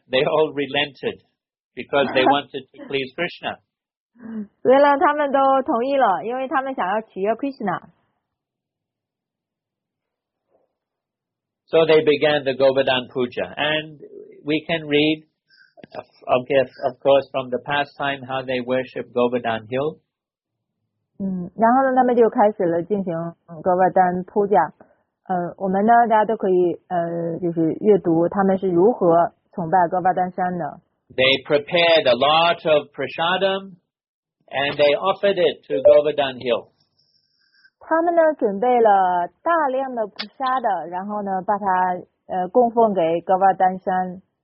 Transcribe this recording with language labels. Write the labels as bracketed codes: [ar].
[en] They all relented because they wanted to please Krishna. [zh] 所以呢，他们都同意了，因为他们想要取悦 Krishna. [en] So they began the Govardhan Puja, and we can read, of course, from the pastime how they worship Govardhan Hill. [zh] 嗯，然后呢，他们就开始了进行 Govardhan Puja。我们呢，大家都可以就是阅读他们是如何崇拜戈巴丹山的。 [en] They prepared a lot of prasadam and they offered it to Govardhan Hill. [zh] 他们呢准备了大量的普沙的，然后呢把它供奉给戈巴丹山。